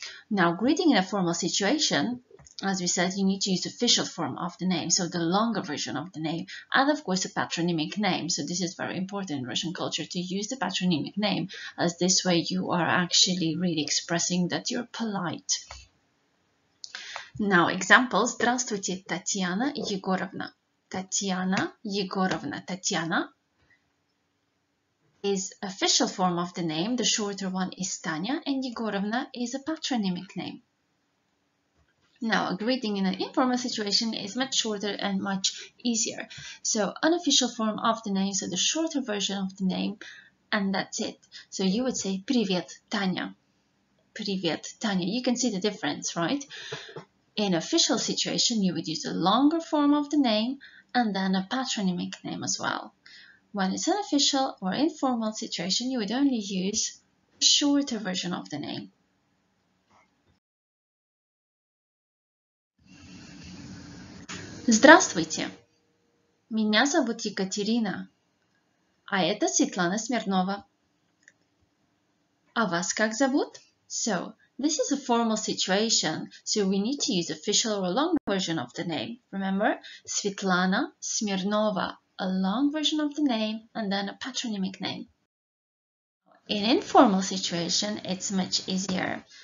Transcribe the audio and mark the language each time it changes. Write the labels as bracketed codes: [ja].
[en] Now, greeting in a formal situation, as we said, you need to use the official form of the name, so the longer version of the name, and of course a patronymic name. So this is very important in Russian culture to use the patronymic name, as this way you are actually really expressing that you're polite. Now, examples. [ru] Здравствуйте, Татьяна Егоровна. Татьяна Егоровна. [en] Татьяна is official form of the name. The shorter one is Tanya, and Егоровна is a patronymic name. Now, a greeting in an informal situation is much shorter and much easier. So, unofficial form of the name, so the shorter version of the name, and that's it. So, you would say, [ru] Привет, Таня. Привет, Таня. [en] You can see the difference, right? In official situation, you would use a longer form of the name and then a patronymic name as well. When it's unofficial or informal situation, you would only use a shorter version of the name. [ru] Здравствуйте, меня зовут Екатерина, а это Светлана Смирнова. А вас как зовут? [en] So, this is a formal situation, so we need to use official or a long version of the name. Remember, Светлана Смирнова, a long version of the name and then a patronymic name. In informal situation, it's much easier.